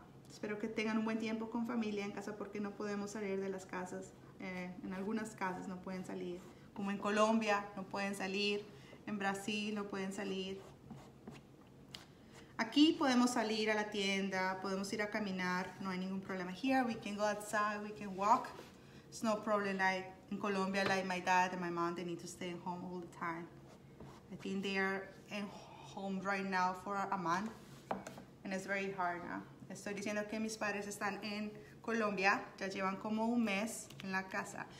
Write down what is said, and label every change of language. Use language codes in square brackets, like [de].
[es] Espero que tengan un buen tiempo con familia en casa porque no podemos salir de las casas. En algunas casas no pueden salir. Como en Colombia, no pueden salir. En Brasil, no pueden salir. Aquí podemos salir a la tienda, podemos ir a caminar, no hay ningún problema. [en] Here we can go outside, we can walk. It's no problem, like in Colombia, like my dad and my mom, they need to stay home all the time. I think they are at home right now for a month, and it's very hard now. [es] Estoy diciendo que mis padres están en Colombia, ya llevan como un mes en la casa.